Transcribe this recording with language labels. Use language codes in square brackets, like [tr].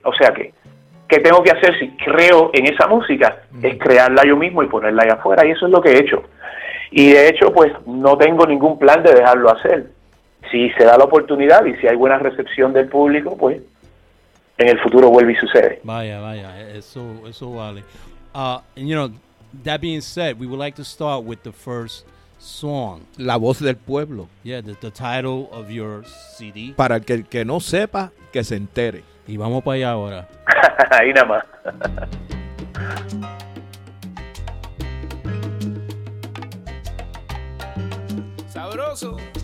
[es] O sea, ¿qué tengo que hacer si creo en esa música? Es crearla yo mismo y ponerla allá afuera, y eso es lo que he hecho. Y de hecho, pues, no tengo ningún plan de dejarlo hacer. Si se da la oportunidad y si hay buena recepción del público, pues, en el futuro vuelve y sucede. Vaya, vaya, eso vale. [en] That being said, we would like to start with the first song. [es] La voz del pueblo. [en] Yeah, the title of your CD. [es] Para el que no sepa, que se entere. Y vamos para allá ahora. Ahí nada más. Sabroso.